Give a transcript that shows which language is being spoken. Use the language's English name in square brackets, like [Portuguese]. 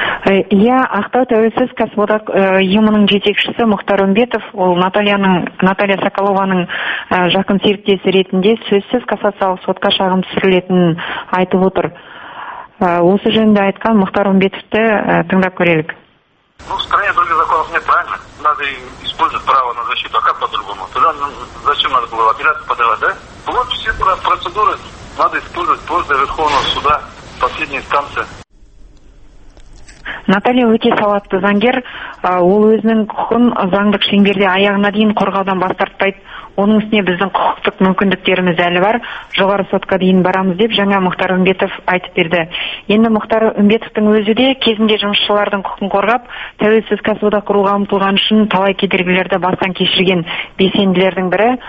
[Kazakh] Иә, Ақтау тәуелсіз кәсіподақ ұйымының жетекшісі Мұхтар Үмбетов, ол Наталья Соколованың жақын серіктесі ретінде сөзсіз кассациялық сотқа шағым түсірілетінін айтып отыр. Осы жөнінде айтқан Мұхтар Үмбетовті тыңдап көрелік. [Russian] Ну, в стране других законов нет, правильно? Надо использовать право на защиту, а как по-другому? Тогда зачем надо было апелляцию подавать, да? Вот все процедуры надо использовать после Верховного суда, последней инстанции. [Kazakh] Наталья өте сауатты заңгер, ол өзінің құқын заңдық шеңберде аяғына дейін қорғаудан бас тартпайды. Оның үстіне біздің құқықтық мүмкіндіктеріміз әлі бар, жоғары сотқа дейін барамыз, деп жаңа Мұхтар Үмбетов айтып берді. Енді Мұхтар Үмбетовтің өзі де кезінде жұмысшылардың құқын қорғап, тәуелсіз кәсіподақ құруға ұмтылған үшін талай кедергілерді бастан кешірген белсенділердің бірі.